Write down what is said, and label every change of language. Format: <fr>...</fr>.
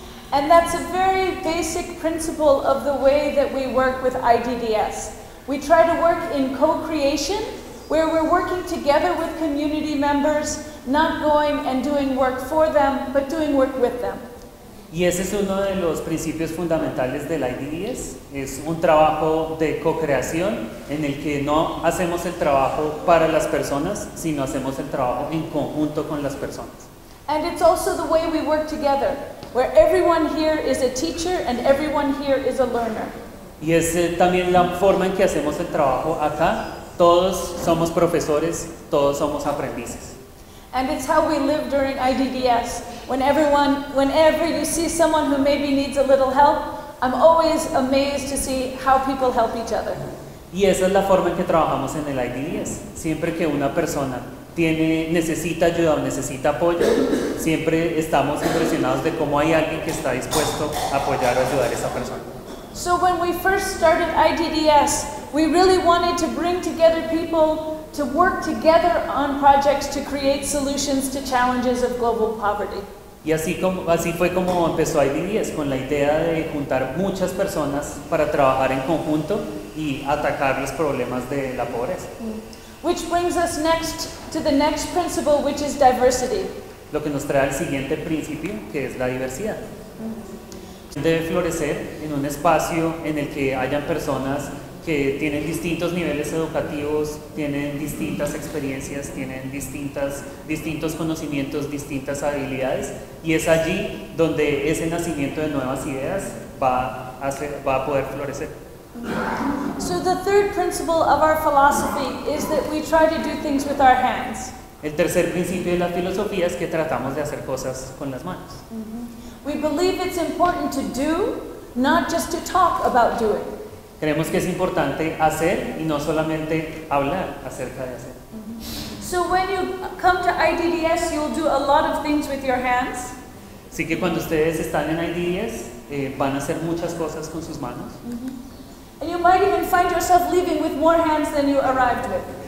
<en>And that's a very basic principle of the way that we work with IDDS. We try to work in co-creation, where we're working together with community members, not going and doing work for them, but doing work with them.</en> <es>Y ese es uno de los principios fundamentales del IDDS. Es un trabajo de co-creación en el que no hacemos el trabajo para las personas, sino hacemos el trabajo en conjunto con las personas.</es> <en>And it's also the way we work together, where everyone here is a teacher and everyone here is a learner.</en> <es>Y es también la forma en que hacemos el trabajo acá. Todos somos profesores, todos somos aprendices.</es> <en>And it's how we live during IDDS. Whenever you see someone who maybe needs a little help, I'm always amazed to see how people help each other.</en> <es>Y esa es la forma en que trabajamos en el IDDS. Siempre que una persona necesita ayuda o necesita apoyo, siempre estamos impresionados de cómo hay alguien que está dispuesto a apoyar o ayudar a esa persona.</es> <en>So when we first started IDDS, we really wanted to bring together people to work together on projects to create solutions to challenges of global poverty.</en> <es>Y así fue como empezó IDDS, con la idea de juntar muchas personas para trabajar en conjunto y atacar los problemas de la pobreza.</es> <en>Which brings us next to the next principle, which is diversity.</en> <es>Lo que nos trae al siguiente principio, que es la diversidad. Debe florecer en un espacio en el que hayan personas que tienen distintos niveles educativos, tienen distintas experiencias, tienen distintos conocimientos, distintas habilidades, y es allí donde ese nacimiento de nuevas ideas va a poder florecer.</es> <en>So the third principle of our philosophy is that we try to do things with our hands.</en> <es>El tercer principio de la filosofía es que tratamos de hacer cosas con las manos.</es> <en>We believe it's important to do, not just to talk about doing.</en> <es>Creemos que es importante hacer y no solamente hablar acerca de hacer.</es> <en>So when you come to IDDS, you'll do a lot of things with your hands.</en> <es>Así que cuando ustedes están en IDDS, van a hacer muchas cosas con sus manos.</es> <en>And you might even find yourself leaving with more hands than you arrived with.</en>